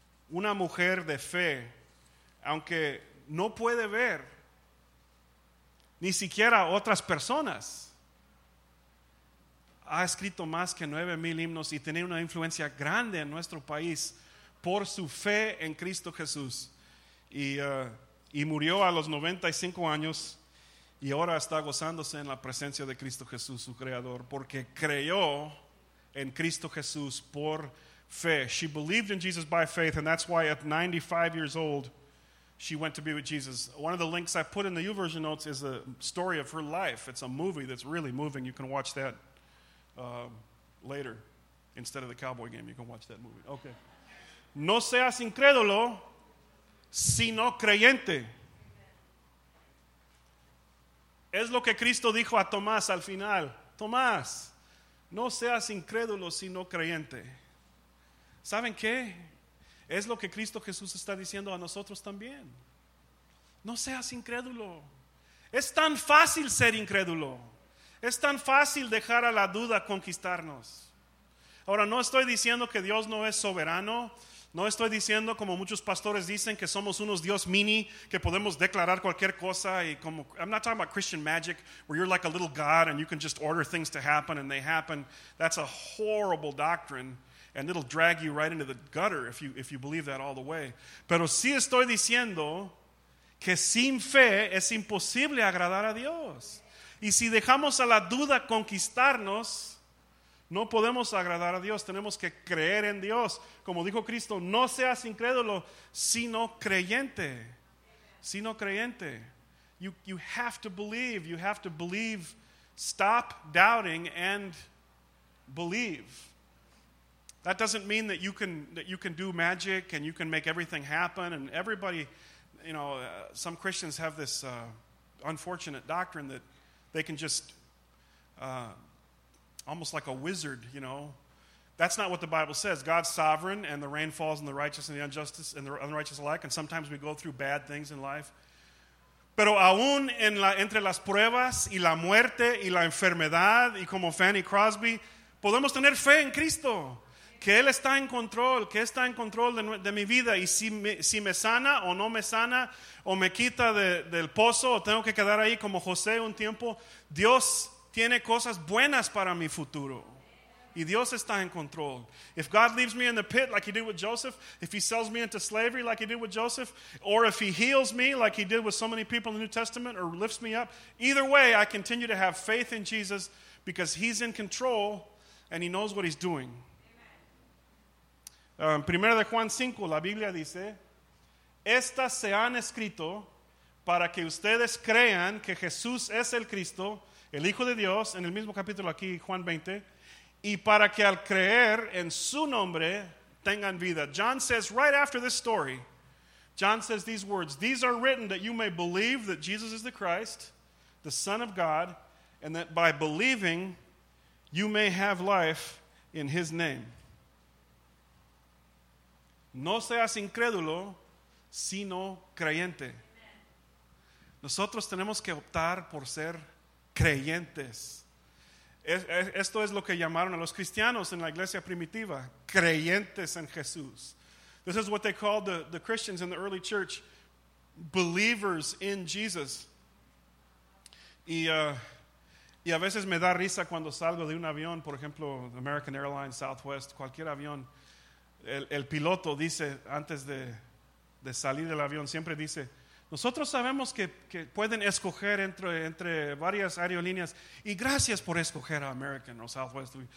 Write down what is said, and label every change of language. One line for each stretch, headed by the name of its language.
Spanish: Una mujer de fe, aunque no puede ver ni siquiera otras personas, ha escrito más que 9,000 himnos y tiene una influencia grande en nuestro país por su fe en Cristo Jesús. Y murió a los 95 años y ahora está gozándose en la presencia de Cristo Jesús, su Creador, porque creyó en Cristo Jesús por fe.
English: She believed in Jesus by faith, and that's why at 95 years old, she went to be with Jesus. One of the links I put in the YouVersion notes is a story of her life. It's a movie that's really moving. You can watch that later instead of the Cowboy game. You can watch that movie. Okay.
Spanish: No seas incrédulo, sino creyente. Es lo que Cristo dijo a Tomás al final. Tomás, no seas incrédulo, sino creyente. ¿Saben qué? Es lo que Cristo Jesús está diciendo a nosotros también. No seas incrédulo. Es tan fácil ser incrédulo. Es tan fácil dejar a la duda conquistarnos. Ahora, no estoy diciendo que Dios no es soberano. No estoy diciendo, como muchos pastores dicen, que somos unos Dios mini, que podemos declarar cualquier cosa. Y como,
English: I'm not talking about Christian magic, where you're like a little God and you can just order things to happen and they happen. That's a horrible doctrine. And it'll drag you right into the gutter if you believe that all the way.
Spanish: Pero sí estoy diciendo que sin fe es imposible agradar a Dios. Y si dejamos a la duda conquistarnos, no podemos agradar a Dios. Tenemos que creer en Dios. Como dijo Cristo, no seas incrédulo, sino creyente. Sino creyente.
English: You have to believe. You have to believe. Stop doubting and believe. That doesn't mean that you can do magic and you can make everything happen. And everybody, you know, some Christians have this unfortunate doctrine that they can just, almost like a wizard, you know. That's not what the Bible says. God's sovereign, and the rain falls on the righteous and the unjustice and the unrighteous alike. And sometimes we go through bad things in life.
Spanish: Pero aún en la, entre las pruebas y la muerte y la enfermedad, y como Fanny Crosby, podemos tener fe en Cristo. Que Él está en control, que está en control de mi vida. Y si me sana o no me sana, o me quita del pozo, o tengo que quedar ahí como José un tiempo, Dios tiene cosas buenas para mi futuro. Y Dios está en control.
English: If God leaves me in the pit like he did with Joseph, if he sells me into slavery like he did with Joseph, or if he heals me like he did with so many people in the New Testament, or lifts me up, either way, I continue to have faith in Jesus because he's in control and he knows what he's doing.
Spanish: Primera de Juan 5, la Biblia dice, estas se han escrito para que ustedes crean que Jesús es el Cristo, el Hijo de Dios, en el mismo capítulo aquí, Juan 20, y para que al creer en su nombre tengan vida.
English: John says, right after this story, John says these words, these are written that you may believe that Jesus is the Christ, the Son of God, and that by believing you may have life in his name.
Spanish: No seas incrédulo, sino creyente. Nosotros tenemos que optar por ser creyentes. Esto es lo que llamaron a los cristianos en la iglesia primitiva, creyentes en Jesús.
English: This is what they called the Christians in the early church, believers in Jesus.
Spanish: Y a veces me da risa cuando salgo de un avión, por ejemplo, American Airlines, Southwest, cualquier avión. El piloto dice, antes de salir del avión, siempre dice, nosotros sabemos que pueden escoger entre varias aerolíneas, y gracias por escoger a American or Southwest.